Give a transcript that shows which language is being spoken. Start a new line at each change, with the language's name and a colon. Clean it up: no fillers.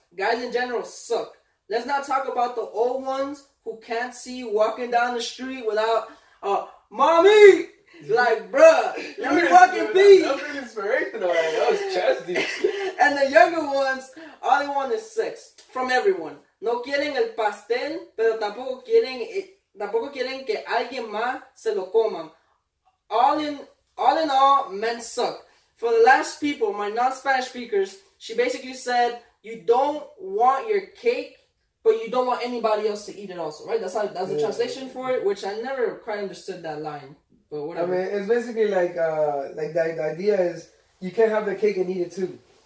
English: Guys in general suck. Let's not talk about the old ones who can't see walking down the street without a mommy. Like, bruh, let me fucking be. That was inspirational. Right? That was chesty. And the younger ones, all they want is sex from everyone.
Spanish: No quieren el pastel, pero tampoco quieren que alguien más se lo coman.
English: All in all, men suck. For the last people, my non-Spanish speakers, she basically said, you don't want your cake, but you don't want anybody else to eat it also, right? That's how, that's the translation for it, which I never quite understood that line, but whatever. I mean, it's basically like the idea is you can't have the cake and eat it too.